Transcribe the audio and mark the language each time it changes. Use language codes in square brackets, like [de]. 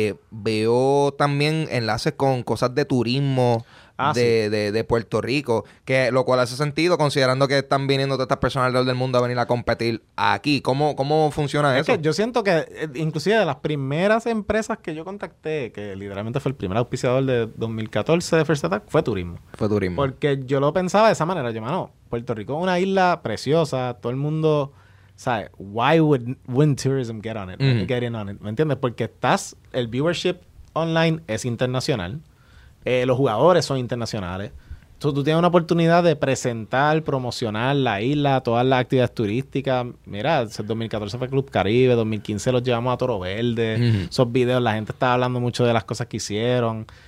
[es] Veo también enlaces con cosas de turismo de Puerto Rico, que lo cual hace sentido considerando que están viniendo todas estas personas del mundo a venir a competir aquí. ¿Cómo funciona eso? Es que yo siento que inclusive de las primeras empresas que yo contacté, que literalmente fue el primer auspiciador de 2014 de First Attack, fue turismo. Fue turismo. Porque yo lo pensaba de esa manera. Yo, mano, Puerto Rico es una isla preciosa, todo el mundo... ¿Sabes? [en] Why would wind tourism get on it? Get in on it. [es] ¿Me entiendes? Porque estás, el viewership online es internacional. Los jugadores son internacionales. Entonces tú tienes una oportunidad de presentar, promocionar la isla, todas las actividades turísticas. Mira, el 2014 fue Club Caribe, 2015 los llevamos a Toro Verde. Esos videos, la gente estaba hablando mucho de las cosas que hicieron.